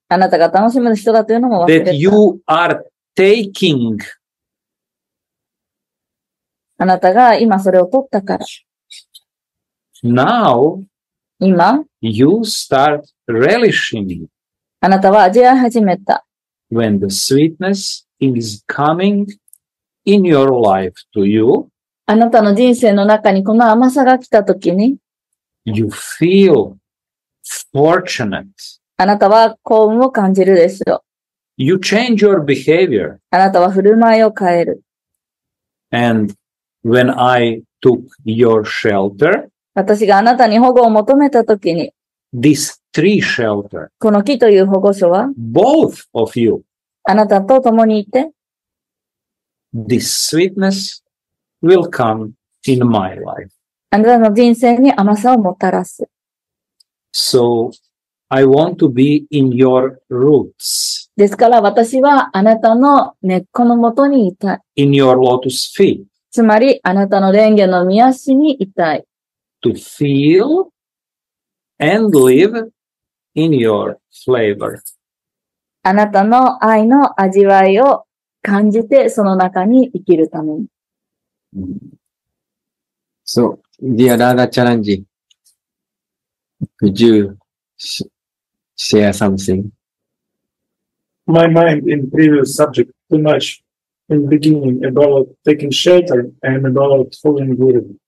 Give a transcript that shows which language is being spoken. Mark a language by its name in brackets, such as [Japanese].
[Japanese] あなたが楽しむ人だというのも忘れた。 [English] That you are taking. [Japanese] あなたが今それを取ったから。 [English] Now. [Japanese] 今。 [English] You start relishing. [Japanese] あなたは味わい始めた。 [English] When the sweetness is coming in your life to you, [Japanese] あなたの人生の中にこの甘さが来たときに、 [English] you feel fortunate. [Japanese] あなたは幸運を感じるでしょう。 [English] You change your behavior. [Japanese] あなたは振る舞いを変える。 [English] And when I took your shelter, [Japanese] 私があなたに保護を求めたときに、 [English] this tree shelter. [Japanese] この木という保護所は [English] both of you. [Japanese] あなたと共にいて [English] this sweetness will come in my life. [Japanese] あなたの人生に甘さをもたらす。 [English] So, I want to be in your roots. [Japanese] ですから私はあなたの根っこのもとにいたい。 [English] In your lotus feet. [Japanese] つまりあなたの蓮華の御足にいたい。 [English] To feelAnd live in your flavor. [Japanese] あなたの愛の味わいを感じてその中に生きるために。 [English] So, dear Radha Charanji, could you share something? My mind in previous subject too much in beginning about taking shelter and about following Guru.